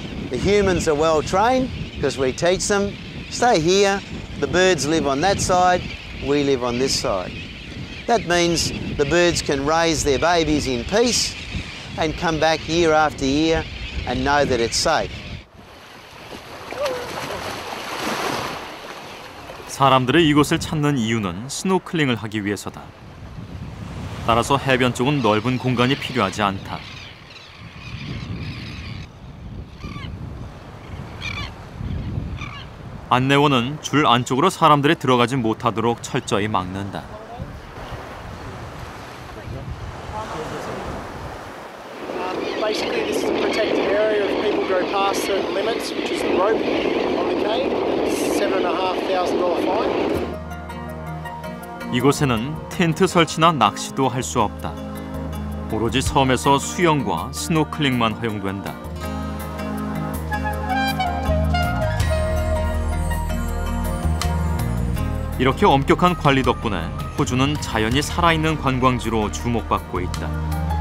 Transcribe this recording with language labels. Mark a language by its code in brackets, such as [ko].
[en] The humans are well trained because we teach them, stay here, the birds live on that side, we live on this side. That means the birds can raise their babies in peace and come back year after year and know that it's safe. [ko] 사람들이 이곳을 찾는 이유는 스노클링을 하기 위해서다. 따라서 해변 쪽은 넓은 공간이 필요하지 않다. 안내원은 줄 안쪽으로 사람들이 들어가지 못하도록 철저히 막는다. [en] Basically, this is a protected area. If people go past certain limits, which is the rope on the cane, $7,500 fine. [ko] 이곳에는 텐트 설치나 낚시도 할 수 없다. 오로지 섬에서 수영과 스노클링만 허용된다. 이렇게 엄격한 관리 덕분에 호주는 자연이 살아있는 관광지로 주목받고 있다.